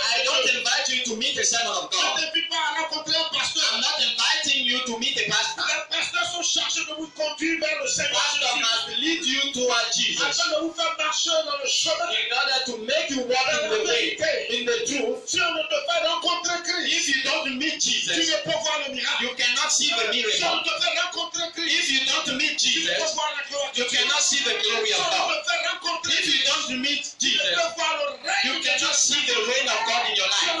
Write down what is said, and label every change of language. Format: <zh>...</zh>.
<en>I don't invite you to meet a servant of God.</en> <fr>Je t'invite pas à rencontrer un pasteur.</fr> <en>I'm not inviting you to meet a pastor.</en> <fr>Les pasteurs sont chargés de vous conduire vers le Seigneur.</fr> <en>Pastor must lead you toward Jesus.</en> <fr>Afin de vous faire marcher dans le chemin.</fr> <en>In order to make you walk in the way, in the truth.</en> <fr>Si on ne te fait rencontrer Christ,</fr> <en>if you don't meet Jesus, you cannot see the miracle. If you don't meet Jesus, you cannot see the glory of God. If you don't meet Jesus, you cannot see the reign of God in your life.</en>